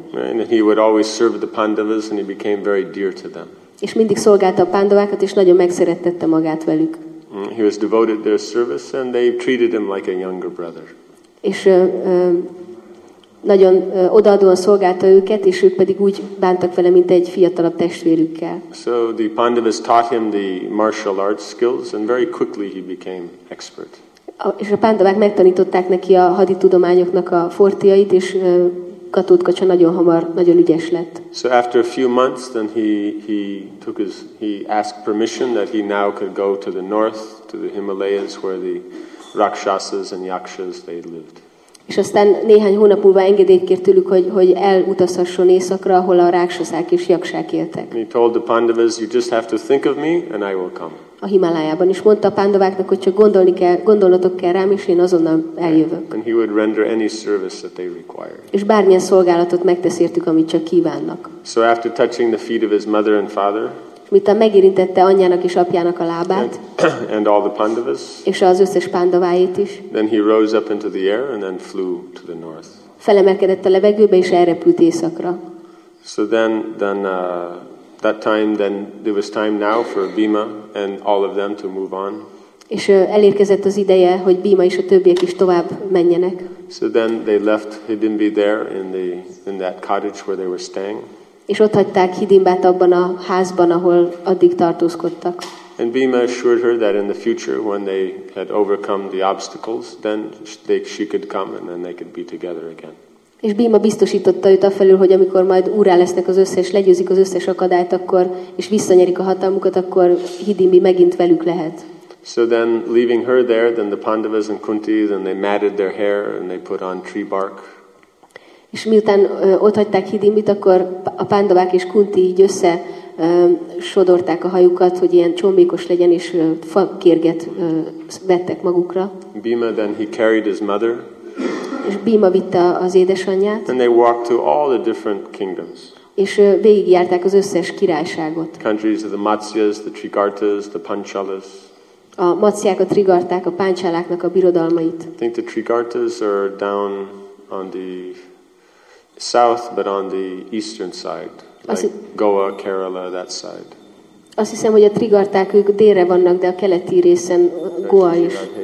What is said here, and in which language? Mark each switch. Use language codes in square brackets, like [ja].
[en] And he would always serve the Pandavas, and he became very dear to them. [hu] És mindig szolgálta a pandavákat, és nagyon megszerettette magát velük. [en] He was devoted to their service, and they treated him like a younger brother. [hu] És nagyon odaadóan szolgálta őket, és ők pedig úgy bántak vele, mint egy fiatalabb testvérükkel. [en] So the Pandavas taught him the martial arts skills, and very quickly he became expert. [hu] És a pandavák megtanították neki a haditudományoknak a fortiait, és Gatodkacsa nagyon hamar, nagyon ügyes lett. [en] So after a few months, then he asked permission that he now could go to the north, to the Himalayas, where the rakshasas and yakshas they lived. [hu] És aztán néhány hónap múlva engedélyt kért tőlük, hogy elutazhasson északra, ahol a rakshasák és yakshák éltek. [en] He told the Pandavas, you just have to think of me, and I will come. [hu] A Himalájában is mondta a pandaváknak, hogy csak gondolnotok kell rám, és én azonnal eljövök. [en] And he would render any service that they required. [hu] És bármilyen szolgálatot megtesz értük, amit csak kívánnak. [en] So after touching the feet of his mother and father, [hu] miután megérintette anyjának és apjának a lábát, [en] and all the Pandavas, [hu] és az összes pandaváit is, [en] then he rose up into the air and then flew to the north. [hu] Felemelkedett a levegőbe és elrepült északra. [en] So that time, then there was time now for Bhima and all of them to move on. [hu] És elérkezett az ideje, hogy Bhima és a többiek is tovább menjenek. [en] So then they left Hidimbi there in that cottage where they were staying. [hu] És ott hagyták Hidimbát abban a házban, ahol addig tartózkodtak. [en] And Bhima assured her that in the future, when they had overcome the obstacles, then she could come and then they could be together again. [hu] És Bhima biztosította őt afelől, hogy amikor majd úrrá lesznek az összes, legyőzik az összes akadályt, akkor, és visszanyerik a hatalmukat, akkor Hidimbi megint velük lehet. [en] So then, leaving her there, then the Pandavas and Kunti, then they matted their hair, and they put on tree bark. [hu] És miután ott hagyták Hidimbit, akkor a Pandavák és Kunti így össze sodorták a hajukat, hogy ilyen csombékos legyen, és fakérget vettek magukra. [en] Bhima, then he carried his mother. [hu] És Bhima vitte az édesanyját. [en] And they walked to all the different kingdoms. [hu] És végigjárták az összes királyságot. [en] Countries of the Matsyas, the Trigartas, the Panchalas. [hu] A Matsyák, a Trigarták, a Panchaláknak a birodalmait. [en] I think the Trigartas are down on the south, but on the eastern side. Goa, Kerala, that side. [hu] Azt hiszem, hogy a Trigarták, ők délre vannak, de a keleti részen Goa is.